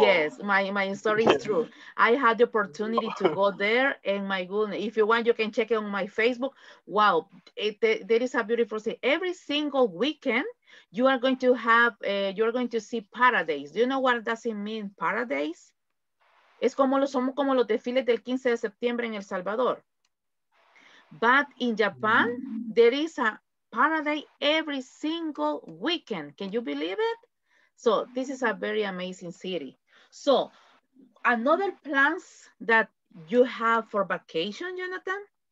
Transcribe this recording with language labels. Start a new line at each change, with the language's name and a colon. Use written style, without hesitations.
English: Yes, my story is true. I had the opportunity to go there, and my goodness, if you want, you can check it on my Facebook. Wow, there is a beautiful city. Every single weekend, you are going to have, you're going to see paradise. Do you know what does it mean, paradise?
Spanish: Es como los, somos como los desfiles del 15 de septiembre en El Salvador.
English: But in Japan, there is a paradise every single weekend. Can you believe it? So this is a very amazing city. So another plans that you have for vacation, Jonathan?